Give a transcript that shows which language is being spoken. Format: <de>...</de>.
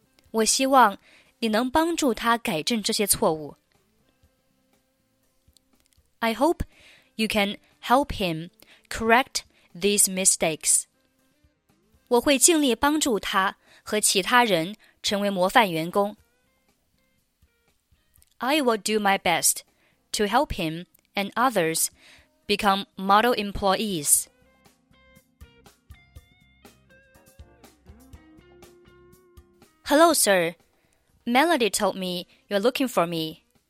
<zh>我希望你能帮助他改正这些错误。</zh> <en>I hope you can help him correct these mistakes.</en> <zh>我会尽力帮助他和其他人成为模范员工。</zh> <en>I will do my best to help him and others become model employees. Hello, sir. Melody told me you're looking for me.</en>